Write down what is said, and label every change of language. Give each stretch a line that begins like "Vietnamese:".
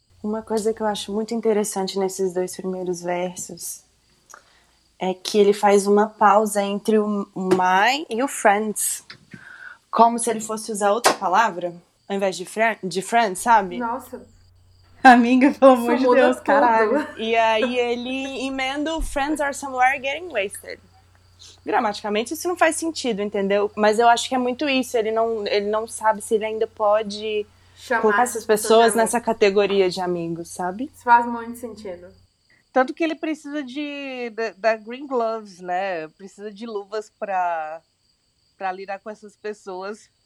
Portuguese: Uma coisa que eu acho muito interessante nesses dois primeiros versos é que ele faz uma pausa entre o my e o friends. Como se ele fosse usar outra palavra ao invés de friends, sabe? Nossa, amiga, pelo amor de Deus, caralho. E aí ele emenda o
English: friends are somewhere getting wasted.
Portuguese: Gramaticamente isso não faz sentido, entendeu? Mas eu acho que é muito isso. Ele não sabe se ele ainda pode colocar essas pessoas nessa categoria de amigos, sabe? Isso faz muito sentido. Tanto que ele precisa da green gloves, né? Precisa de luvas pra lidar com essas pessoas.